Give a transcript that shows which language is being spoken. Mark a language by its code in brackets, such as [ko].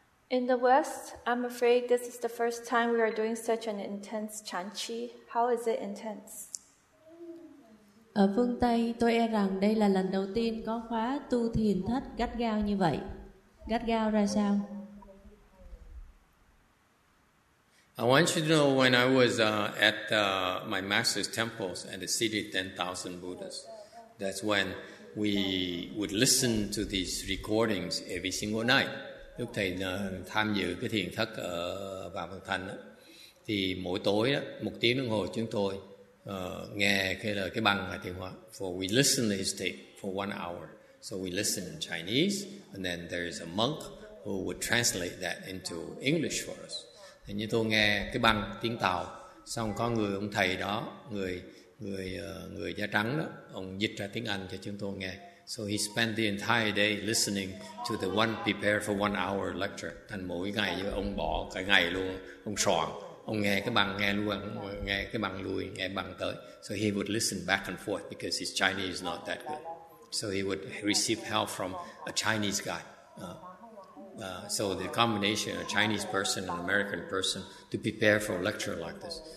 [en] In the West, I'm afraid this is the first time we are doing such an intense Chan Chi. How is it intense? [vi] Ở phương Tây, tôi e rằng đây là lần đầu tiên có khóa tu thiền thất gắt gao như vậy. Gắt gao ra sao? [en] I want you to know when I was at my master's temples at the city of 10,000 Buddhas, that's when we would listen to these recordings every single night. [vi] Lúc thầy tham dự cái thiền thất ở Vạn Phật Thành, thì mỗi tối một tiếng đồng hồ chúng tôi nghe cái lời cái băng và thiền hóa. [en] For we listen to his tape for 1 hour. So we listen in Chinese, and then there is a monk who would translate that into English for us. [vi] Hình như tôi nghe cái băng tiếng Tàu, xong có người ông thầy đó, người da trắng đó, ông dịch ra tiếng Anh cho chúng tôi nghe. [en] So he spent the entire day listening to the one prepared for 1 hour lecture. [vi] Thành mỗi ngày ông bỏ cả ngày luôn, ông soạn, ông nghe cái băng tới. [en] So he would listen back and forth because his Chinese is not that good. So he would receive help from a Chinese guy. So the combination of a Chinese person and an American person to prepare for a lecture like this.